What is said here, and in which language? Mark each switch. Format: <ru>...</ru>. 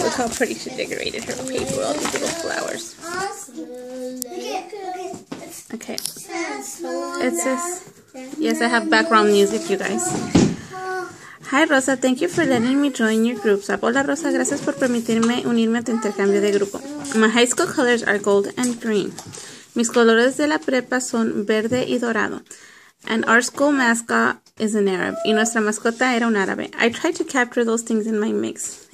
<en>Look how pretty she decorated her paper with all these little flowers. Okay. It says, yes, I have background music, you guys. Hi, Rosa. Thank you for letting me join your group.</en> <es>Hola, Rosa. Gracias por permitirme unirme a tu intercambio de grupo.</es> <en>My high school colors are gold and green.</en> <es>Mis colores de la prepa son verde y dorado.</es> <en>And our school mascot is an Arab.</en> <es>Y nuestra mascota era un árabe.</es> <en>I tried to capture those things in my mix.</en>